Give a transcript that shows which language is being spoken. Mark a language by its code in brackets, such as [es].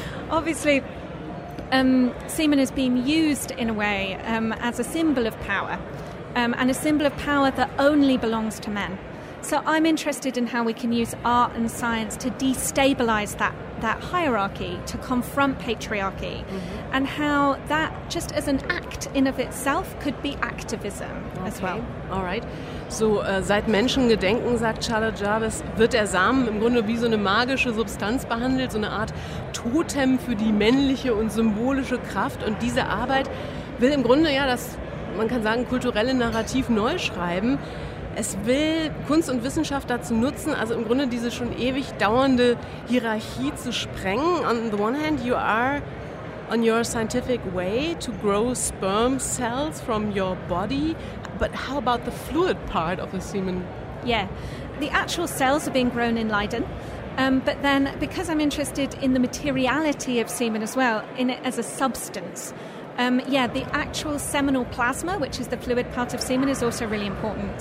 [en] Obviously, semen has been used in a way as a symbol of power, and a symbol of power that only belongs to men. So I'm interested in how we can use art and science to destabilize that hierarchy, to confront patriarchy, mm-hmm. and how that, just as an act in of itself, could be activism okay. as well. All right. [de] So seit Menschengedenken, sagt Charlotte Jarvis, wird der Samen im Grunde wie so eine magische Substanz behandelt, so eine Art Totem für die männliche und symbolische Kraft. Und diese Arbeit will im Grunde, ja, das, man kann sagen, kulturelle Narrativ neu schreiben. Es will Kunst und Wissenschaft dazu nutzen, also im Grunde diese schon ewig dauernde Hierarchie zu sprengen. [en] On the one hand, you are on your scientific way to grow sperm cells from your body. But how about the fluid part of the semen? Yeah, the actual cells are being grown in Leiden. But then, because I'm interested in the materiality of semen as well, in it as a substance, the actual seminal plasma, which is the fluid part of semen, is also really important.